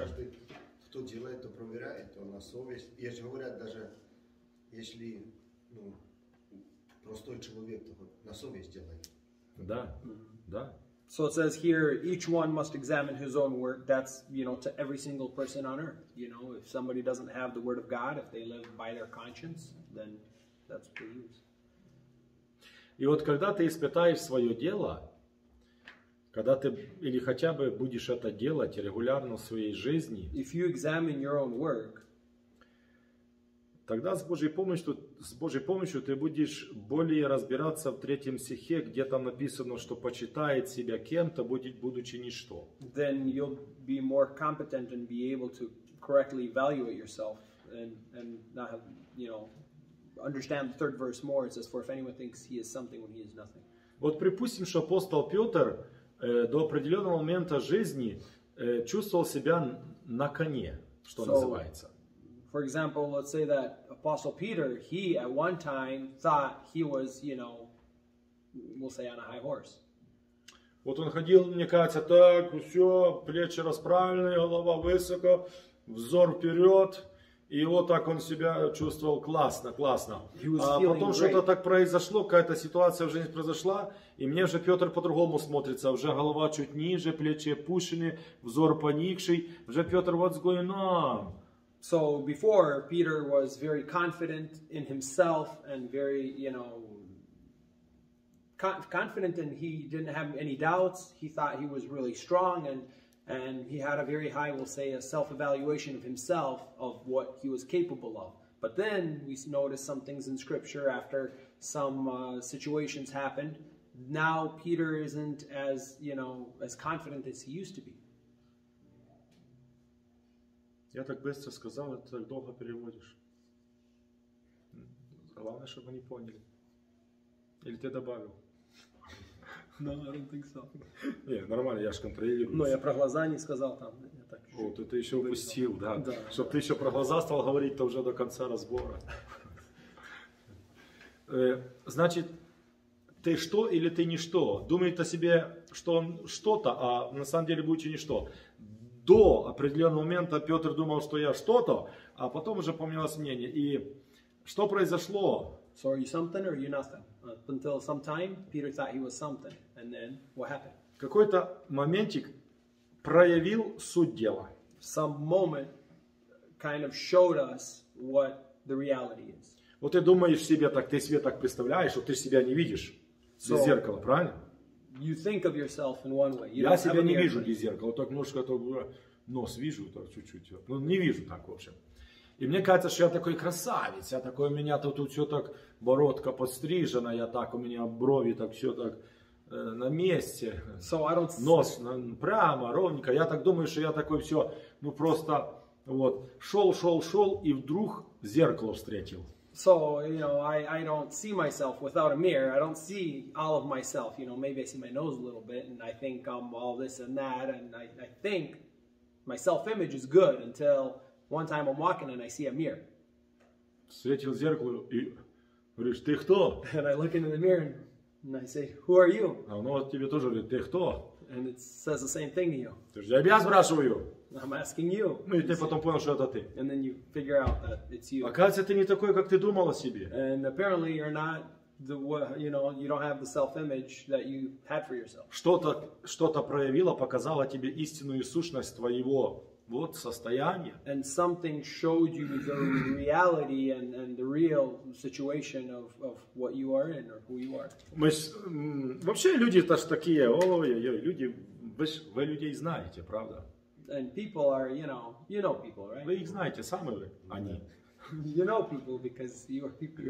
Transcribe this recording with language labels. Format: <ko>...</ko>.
<ru>Каждый, кто делает, то проверяет, то на совесть. Если говорят, даже если простой человек, то на совесть делает. Да, mm-hmm. да.</ru> <en>So it says here, each one must examine his own work. That's, to every single person on earth. If somebody doesn't have the word of God, if they live by their conscience, then that's for you.</en> <ru>И вот когда ты испытаешь свое дело, когда ты или хотя бы будешь это делать регулярно в своей жизни,</ru> <en>if you examine your own work,</en> <ru>тогда с Божьей помощью ты будешь более разбираться в третьем стихе, где там написано, что почитает себя кем-то, будучи ничто.</ru> <en>Then you'll be more competent and be able to correctly evaluate yourself and not have, understand the third verse more. It says, for if anyone thinks he is something when he is nothing.</en> <ru>Вот припустим, что апостол Петр до определенного момента жизни чувствовал себя на коне, что называется.</ru> <en>For example, let's say that Apostle Peter, he at one time thought he was, we'll say on a high horse.</en> <ru>Вот он ходил, мне кажется, так, все, плечи расправлены, голова высоко, взор вперед. И вот так он себя чувствовал классно. А потом</ru> <en>great.</en> <ru>Что-то так произошло, какая-то ситуация в жизни произошла, и мне уже Петр по-другому смотрится. Уже голова чуть ниже, плечи опущены, взор поникший. Уже</ru> <en>Петр, what's going on? So before, Peter was very confident in himself and very, confident, and he didn't have any doubts. He thought he was really strong and he had a very high, we'll say, a self-evaluation of himself, of what he was capable of. But then we notice some things in Scripture after some situations happened. Now Peter isn't as, as confident as he used to be.</en> <ru>Я так быстро сказал, это долго переводишь. Главное, чтобы они поняли. Или ты добавил?</ru> <en>No, I don't think so.</en> <ru>Не, нормально, я же контролирую. Но я про глаза не сказал там. Вот, ты еще упустил, да? Да. Чтобы ты еще про глаза стал говорить, то уже до конца разбора. Значит, ты что или ты ничто? Думает о себе, что он что-то, а на самом деле будучи ничто. До определенного момента Петр думал, что я что-то, а потом уже поменялось мнение. И что произошло?</ru> <en>So are you something or are you nothing? Up until some time, Peter thought he was something. And then, what happened?</en> <ru>Какой-то моментик проявил суть дела.</ru> <en>Some moment kind of showed us what the reality is.</en> <ru>Вот ты думаешь себе так, ты себе так представляешь, что ты себя не видишь без зеркала, правильно?</ru> <en>You think of yourself in one way.</en> <ru>Я себя не вижу без зеркала. Так немножко нос вижу, так чуть-чуть. Ну, не вижу так, в общем. И мне кажется, что я такой красавец. Я такой, у меня тут все так, бородка подстрижена. Я так, у меня брови так, все так на месте.</ru> <en>So I don't</en> <ru>нос прямо, ровненько. Я так думаю, что я такой все, просто вот. Шел. И вдруг зеркало встретил.</ru> <en>So, you know, I don't see myself without a mirror. I don't see all of myself. You know, maybe I see my nose a little bit and I think I'm all this and that. And I think my self-image is good until one time I'm walking and I see a mirror.</en> <ru>Встретил зеркало и говоришь, ты кто?</ru> <en>And I look into the mirror and I say, who are you?</en> <ru>А оно тебе тоже говорит, ты кто?</ru> <en>And it says the same thing to you.</en> <ru>Ты же тебя спрашиваю.</ru> <en>I'm asking you.</en> <ru>Ну и ты потом понял, что это ты.</ru> <en>And then you figure out that it's you.</en> <ru>Оказывается, ты не такой, как ты думал о себе.</ru> <en>And apparently you're not the, you know, you don't have the self-image that you had for yourself.</en> <ru>Что-то проявило, показало тебе истинную сущность твоего вот состояния.</ru> <en>And something showed you the reality and the real situation of what you are in or who you are.</en> <ru>Мы вообще люди-то ж такие, ой-ой-ой, люди, вы людей знаете, правда?</ru> <en>And people are, you know people, right?</en> <ru>Вы их знаете, сами вы, они.</ru> <en>You know people because you are people yourself.</en>